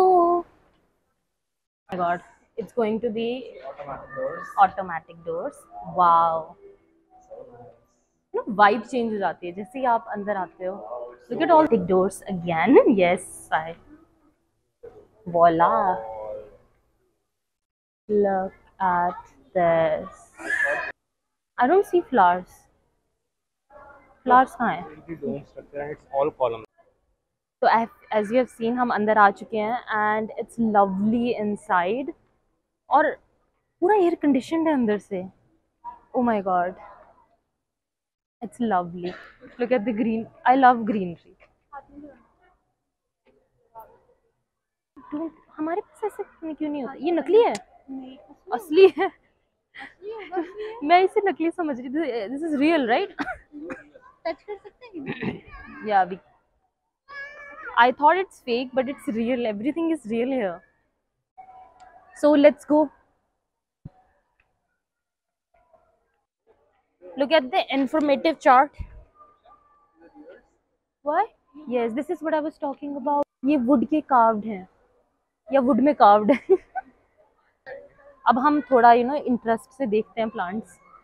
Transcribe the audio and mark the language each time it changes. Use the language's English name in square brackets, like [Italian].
[English] Oh my God, it's going to be automatic doors. Wow. You know, [Hindi] vibe change हो जाती है जैसे ही आप अंदर आते हो. [English] Look at all the doors again. Yes, I. Voila. Look at this. I don't see flowers. [Hindi] Flowers कहाँ हैं? [English] It's all columns. So as you have seen, [Hindi] हम अंदर आ चुके हैं [English] and it's lovely inside, [Hindi] और पूरा एयर कंडीशन है अंदर से। [English] Oh my God, it's lovely, look at the green, I love greenery. [Hindi] हमारे पास ऐसे क्यों नहीं होता, ये नकली है? नहीं, असली है। मैं इसे नकली समझ रही थी, [English] This is real right. [Hindi] Touch कर सकते हैं? या अभी [English] I thought it's fake, but it's real. Everything is real here. So let's go. Look at the informative chart. What? Yes, this is what I was talking about. [Hindi] ये wood के carved हैं, या wood में carved हैं। अब हम थोड़ा [English] you know [Hindi] interest से देखते हैं plants.